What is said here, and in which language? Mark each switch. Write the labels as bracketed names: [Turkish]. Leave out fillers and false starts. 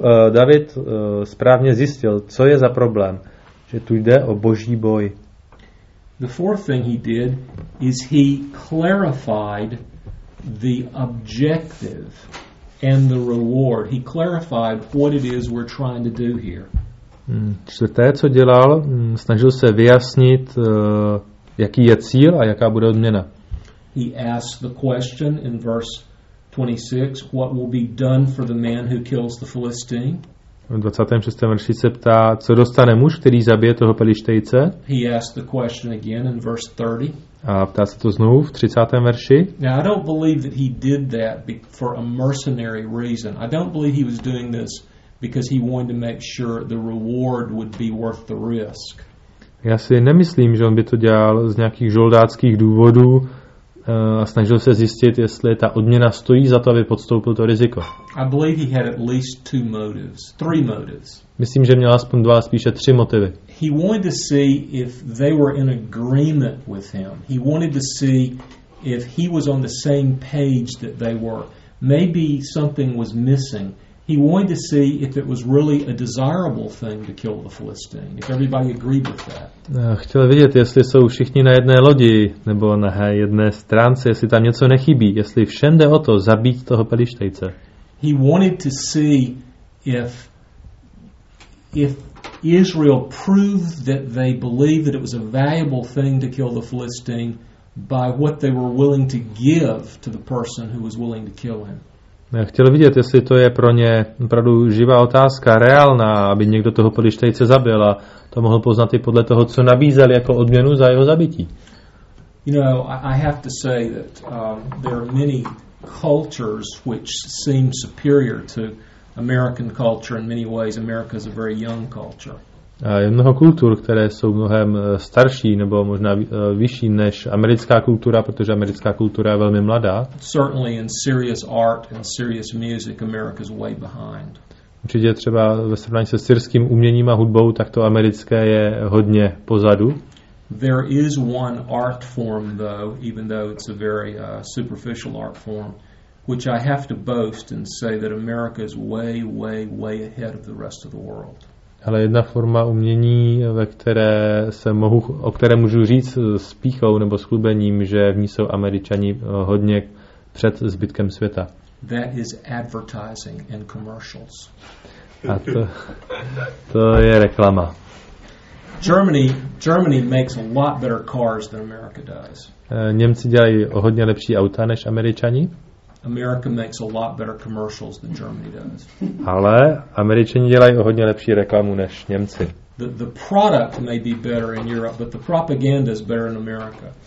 [Czech] David správně zjistil, co je za problém, že tu jde o boží boj. [English] The fourth thing he did is he clarified the objective and the reward. He clarified what it is we're trying to do here. [Czech] Čtvrté, co dělal, snažil se vyjasnit, jaký je cíl a jaká bude odměna. [English] He asks the question in verse 26, what will be done for the man who kills the Philistine? [Czech] V 26. verši se ptá, co dostane muž, který zabije toho Pelištejce? [English] He asks the question again in verse 30. [Czech] A ptá se to znovu v 30. verši. [English] Now, I don't believe that he did that for a mercenary reason. I don't believe he was doing this because he wanted to make sure the reward would be worth the risk. [Czech] Já si nemyslím, že on by to dělal z nějakých žoldáckých důvodů, a snažil se zjistit, jestli ta odměna stojí za to, aby podstoupil to riziko. [English] I believe he had at least two motives, three motives. [Czech] Myslím, že měl aspoň dva, spíše tři motivy. [English] He wanted to see if they were in agreement with him. He wanted to see if he was on the same page that they were. Maybe something was missing. He wanted to see if it was really a desirable thing to kill the Philistine, if everybody agreed with that. [Czech] Chtěl vidět, jestli jsou všichni na jedné lodi, nebo na jedné stránce, jestli tam něco nechybí, jestli všem jde o to zabít toho Pelištejce. [English] He wanted to see if Israel proved that they believed that it was a valuable thing to kill the Philistine by what they were willing to give to the person who was willing to kill him. [Czech] Chtěl vidět, jestli to je pro ně opravdu živá otázka, reálná, aby někdo toho Pelištejce zabil, a to mohl poznat i podle toho, co nabízel jako odměnu za jeho zabití. [English] You know, I have to say that there are many cultures which seem superior to American culture in many ways. America is a very young culture. [Czech] Je mnoho kultur, které jsou mnohem starší nebo možná vyšší než americká kultura, protože americká kultura je velmi mladá. [English] Certainly in serious art and serious music, America's way behind. [Czech] Určitě třeba ve srovnání se syrským uměním a hudbou, tak to americké je hodně pozadu. [English] There is one art form though, even though it's a very superficial art form, which I have to boast and say that America is way, way, way ahead of the rest of the world. [Czech] Ale jedna forma umění, ve které se mohu, o které můžu říct s pýchou nebo s chlubením, že v ní jsou Američani hodně před zbytkem světa. [English] That is advertising and commercials. [Czech] A to je reklama. [English] Germany makes a lot better cars than America does. [Czech] Němci dělají o hodně lepší auta než Američani. [English] America makes a lot better commercials than Germany does. [Czech] Ale Američani dělají o hodně lepší reklamu než Němci. [English] The product may be better in Europe, but the propaganda is better in America.